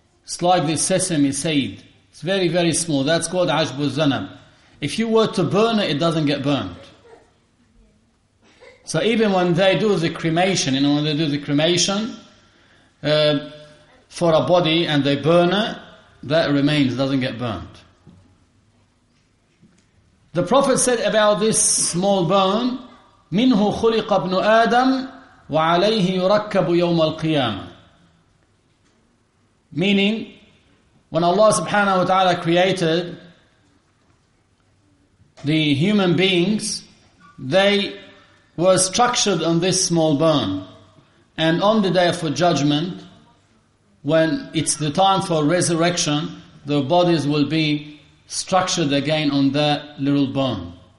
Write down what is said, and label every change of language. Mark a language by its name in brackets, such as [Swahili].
[English] It's like the sesame seed. It's very, very small. That's called Ashb al-Zanab. If you were to burn it, it doesn't get burned. So even when they do the cremation, you know, when they do the cremation for a body and they burn it, that remains, doesn't get burned. The Prophet said about this small bone, [Arabic] مِنْهُ خُلِقَ ابْنُ آدَمْ وَعَلَيْهِ يُرَكَّبُ يَوْمَ الْقِيَامَةِ. [English] Meaning, when Allah subhanahu wa ta'ala created the human beings, they were structured on this small bone. And on the day of judgment, when it's the time for resurrection, their bodies will be structured again on that little bone.